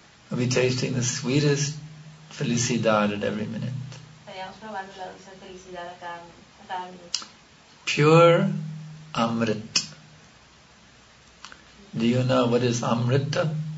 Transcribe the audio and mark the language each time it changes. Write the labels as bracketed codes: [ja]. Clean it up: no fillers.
[en] We'll be tasting the sweetest felicidad at every minute. [es] Estaríamos probando la dulce felicidad a cada minuto. [en] Pure Amrit. Do you know what is Amrita?